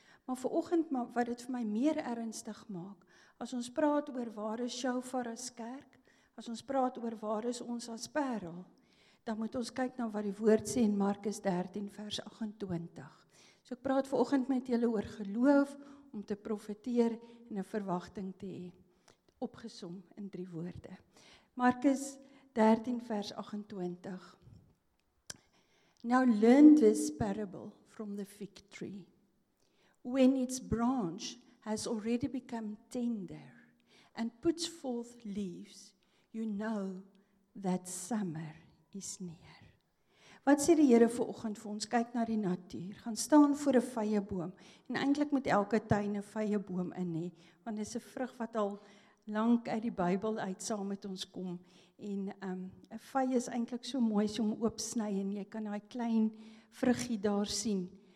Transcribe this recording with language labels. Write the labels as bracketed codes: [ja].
[af] Maar vanoggend wat dit vir my meer ernstig maak, as ons praat oor waar is Shofar as kerk, as ons praat oor waar is ons as parel, dan moet ons kyk na wat die woord sê in Markus 13 vers 28. So ek praat vanoggend met julle oor geloof om te profeteer en 'n verwagting te hê, opgesom in 3 woorde. [en] Markus 13:28. Now learn this parable from the fig tree. When its branch has already become tender and puts forth leaves, you know that summer is near. [af] Wat sê die Here vanoggend vir ons? Kyk na die natuur. Gaan staan voor 'n vye boom. En eintlik moet elke tuin 'n vye boom in hê, want dit is 'n vrug wat al lank uit die Bybel uit saam met ons kom. En 'n vye is eintlik so mooi so om oop sny en jy kan daai klein vruggie daar sien.